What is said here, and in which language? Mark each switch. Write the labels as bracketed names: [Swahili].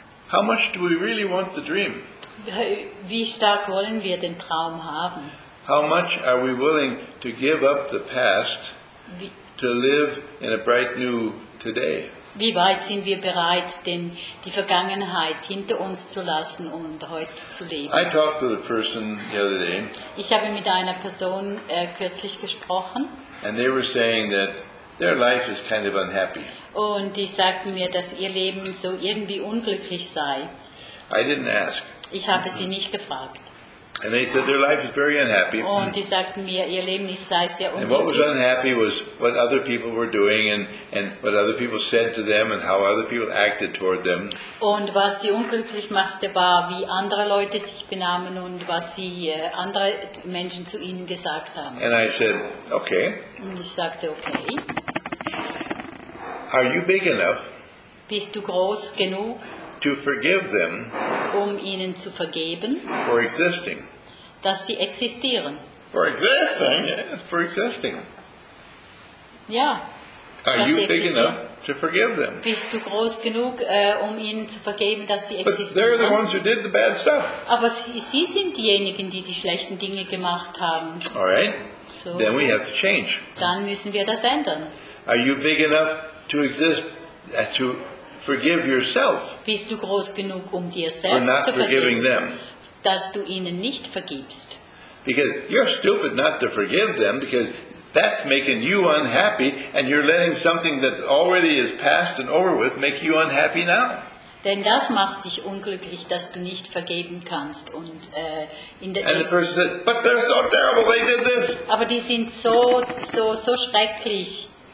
[English] How much do we really want the dream? [German] Wie stark wollen wir den Traum haben? [English] How much are we willing to give up the past to live in a bright new today? [German] Wie weit sind wir bereit, denn die Vergangenheit hinter uns zu lassen und heute zu leben? [English] I talked with a person the other day. [German] Ich habe mit einer Person kürzlich gesprochen. [English] And they were saying that their life is kind of unhappy. [German] Und die sagten mir, dass ihr Leben so irgendwie unglücklich sei. [English] I didn't ask. [German] Ich habe sie nicht gefragt. [English] And they said their life is very unhappy. [German] Und die sagten mir, ihr Leben sei sehr unglücklich. [English] And what was unhappy was what other people were doing and what other people said to them and how other people acted toward them. [German] Und was sie unglücklich machte, war, wie andere Leute sich benahmen und was sie andere Menschen zu ihnen gesagt haben. [English] And I said, okay. [German] Und ich sagte, okay. [English] Are you big enough? [German] Bist du groß genug? [English] To forgive them. [German] Um ihnen zu vergeben. [English] For existing. [German] Dass sie existieren. [English] For existing, yes, for existing. [German] Ja. [English] Are you big enough to forgive them? [German] Bist du groß genug, um ihnen zu vergeben, dass sie existieren? [English] But they're the ones who did the bad stuff. [German] Aber sie sind diejenigen, die die schlechten Dinge gemacht haben. [English] All right. So. Then we have to change. [German] Dann müssen wir das ändern. [English] Are you big enough to exist to forgive yourself? [German] Bist du groß genug, um dir selbst zu vergeben? [English] Forgiving them? [German] Dass du ihnen nicht vergibst. [English] Because you're stupid not to forgive them, because that's making you unhappy, and you're letting something that already is past and over with make you unhappy now. [German] Denn das macht dich unglücklich, dass du nicht vergeben kannst. Und [English] the person said, but they're so terrible, they did this. [German] Aber die sind so schrecklich.